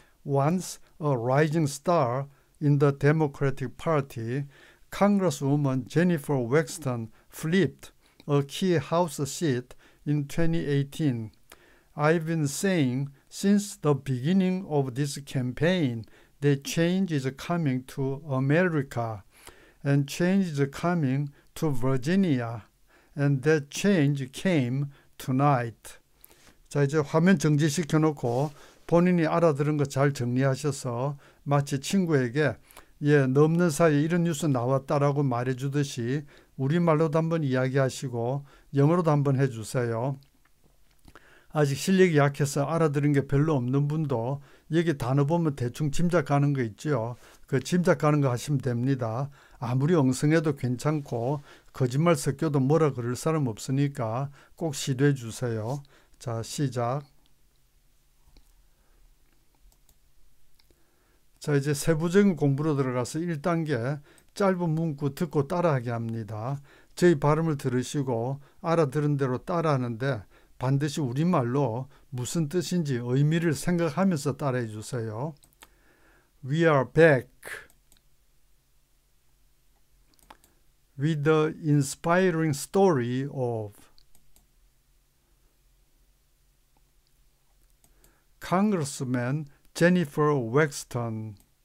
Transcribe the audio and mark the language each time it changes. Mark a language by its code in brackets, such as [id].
[en] Once a rising star in the Democratic Party, Congresswoman Jennifer Wexton flipped a key House seat in 2018. I've been saying since the beginning of this campaign that change is coming to America. And change is coming to Virginia, and that change came tonight. [ko] 자, 이제 화면 정지시켜 놓고 본인이 알아들은 거잘 정리하셔서 마치 친구에게 예, 너 없는 사이에 이런 뉴스 나왔다라고 말해 주듯이 우리말로도 한번 이야기하시고 영어로도 한번 해 주세요. 아직 실력이 약해서 알아들은 게 별로 없는 분도 여기 단어 보면 대충 짐작하는 거 있죠. 그 짐작하는 거 하시면 됩니다. 아무리 엉성해도 괜찮고 거짓말 섞여도 뭐라 그럴 사람 없으니까 꼭 시도해 주세요. 자, 시작. 자, 이제 세부적인 공부로 들어가서 1단계 짧은 문구 듣고 따라하게 합니다. 저희 발음을 들으시고 알아들은 대로 따라하는데 반드시 우리말로 무슨 뜻인지 의미를 생각하면서 따라해 주세요. [en] We are back with the inspiring story of Congresswoman Jennifer Wexton.